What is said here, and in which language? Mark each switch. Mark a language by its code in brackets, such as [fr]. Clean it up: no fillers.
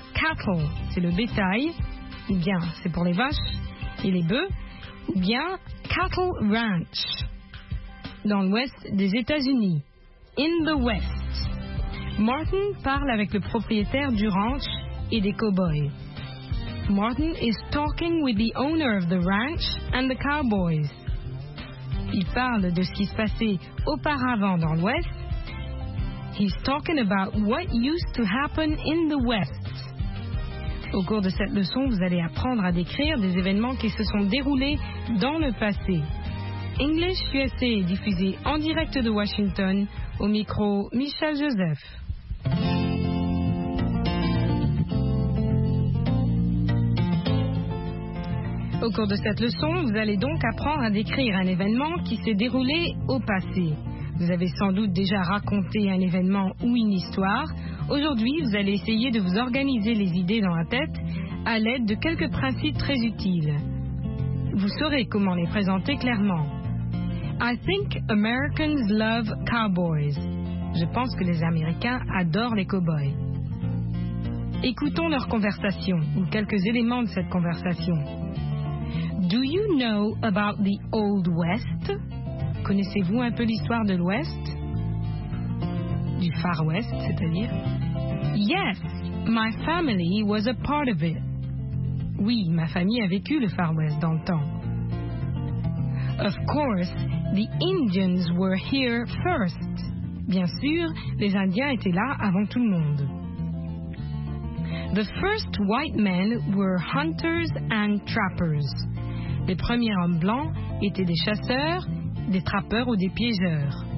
[fr] Cattle, c'est le bétail. Ou bien, c'est pour les vaches et les bœufs. Ou bien, cattle ranch. Dans l'ouest des États-Unis. [en] In the west. [fr] Martin parle avec le propriétaire du ranch et des cowboys. [en] Martin is talking with the owner of the ranch and the cowboys. [fr] Il parle de ce qui se passait auparavant dans l'Ouest. [en] He's talking about what used to happen in the West. [fr] Au cours de cette leçon, vous allez apprendre à décrire des événements qui se sont déroulés dans le passé. English USA est diffusé en direct de Washington. Au micro, Michel Joseph. Au cours de cette leçon, vous allez donc apprendre à décrire un événement qui s'est déroulé au passé. Vous avez sans doute déjà raconté un événement ou une histoire. Aujourd'hui, vous allez essayer de vous organiser les idées dans la tête à l'aide de quelques principes très utiles. Vous saurez comment les présenter clairement. [en] I think Americans love cowboys. [fr] Je pense que les Américains adorent les cowboys. Écoutons leur conversation ou quelques éléments de cette conversation. [en] Do you know about the Old West? [fr] Connaissez-vous un peu l'histoire de l'Ouest? Du Far West, c'est-à-dire? [en] Yes, my family was a part of it. [fr] Oui, ma famille a vécu le Far West dans le temps. [en] Of course, the Indians were here first. [fr] Bien sûr, les Indiens étaient là avant tout le monde. [en] The first white men were hunters and trappers. [fr] Les premiers hommes blancs étaient des chasseurs, des trappeurs ou des piégeurs.